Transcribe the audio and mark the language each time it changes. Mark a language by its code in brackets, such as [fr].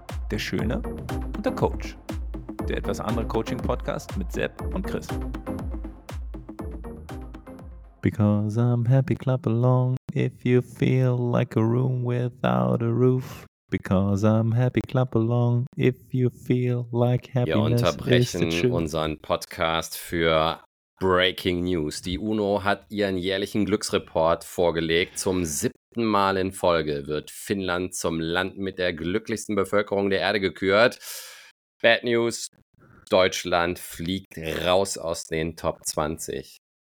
[de] der Schöne und der Coach. Der etwas andere Coaching-Podcast mit Sepp und Chris. [en] Because I'm happy, clap along if you feel like a room without a roof. Because I'm happy, clap along if you feel like happiness. [de] Wir unterbrechen unseren Podcast für Breaking News. Die UNO hat ihren jährlichen Glücksreport vorgelegt. Zum 7. Mal in Folge wird Finnland zum Land mit der glücklichsten Bevölkerung der Erde gekürt. Bad News, Deutschland fliegt raus aus den Top 20.